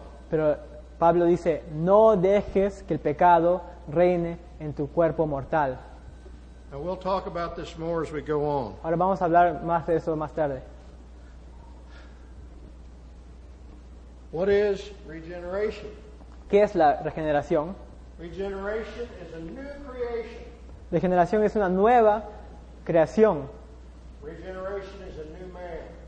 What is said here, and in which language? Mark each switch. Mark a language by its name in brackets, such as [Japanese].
[Spanish] Pero Pablo dice, no dejes que el pecado reine en tu cuerpo mortal. [English] Now we'll talk about this more as we go on. [Spanish] Ahora vamos a hablar más de eso más tarde. [English] What is regeneration? [Spanish] ¿Qué es la regeneración? [English] Regeneration is a new creation. [Spanish] Regeneración es una nueva creación. [English] Regeneration is a new man.